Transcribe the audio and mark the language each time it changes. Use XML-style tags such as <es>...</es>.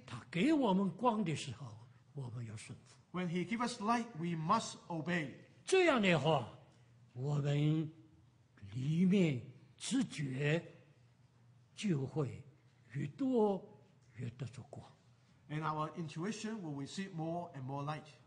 <zh>他给我们光的时候, 我们要顺服。</zh> <en>When he gives us light, we must obey.</en> <zh>这样的话, 我们里面直觉就会越多越得着光。</zh> <en>And our intuition will receive more and more light.</en>